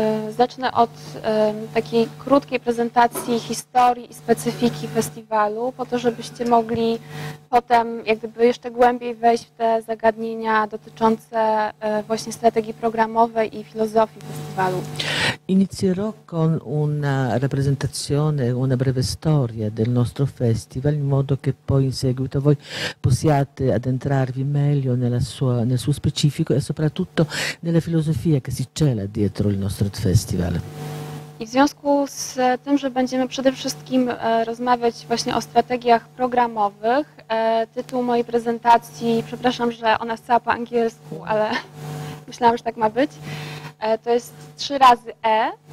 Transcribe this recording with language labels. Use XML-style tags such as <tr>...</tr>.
<pl>Zacznę od takiej krótkiej prezentacji historii i specyfiki festiwalu, po to, żebyście mogli potem jak gdyby jeszcze głębiej wejść w te zagadnienia dotyczące właśnie strategii programowej i filozofii festiwalu.</pl> <it>Inizierò con una rappresentazione, una breve storia del nostro festival, in modo che poi in seguito voi possiate addentrarvi meglio nel suo specifico e soprattutto nella filosofia che si cela dietro il nostro festival.</it> <pl>I w związku z tym, że będziemy przede wszystkim rozmawiać właśnie o strategiach programowych, tytuł mojej prezentacji, przepraszam, że ona jest cała po angielsku, ale myślałam, że tak ma być, to jest trzy razy E.</pl>